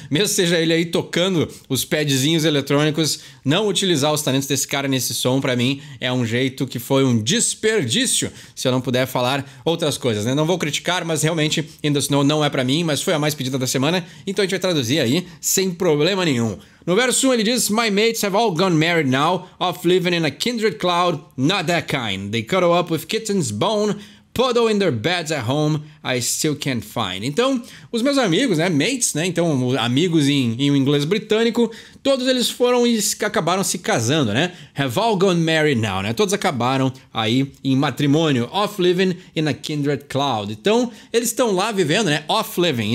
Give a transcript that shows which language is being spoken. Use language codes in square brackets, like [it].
[pt] Mesmo seja ele aí tocando os padzinhos eletrônicos, não utilizar os talentos desse cara nesse som, pra mim, é um jeito que foi um desperdício, se eu não puder falar outras coisas, né? Não vou criticar, mas realmente, In The Snow não é pra mim, mas foi a mais pedida da semana, então a gente vai traduzir aí sem problema nenhum. No verso 1 ele diz: [en] "My mates have all gone married now, off living in a kindred cloud, not that kind. They cuddle up with kitten's bone, puddle in their beds at home, I still can't find." [pt] Então, os meus amigos, né, mates, né, então amigos em inglês britânico, todos eles foram e acabaram se casando, né? [en] Have all gone married now, [pt] né? Todos acabaram aí em matrimônio. [en] Off living in a kindred cloud. [pt] Então, eles estão lá vivendo, né? [en] Off living.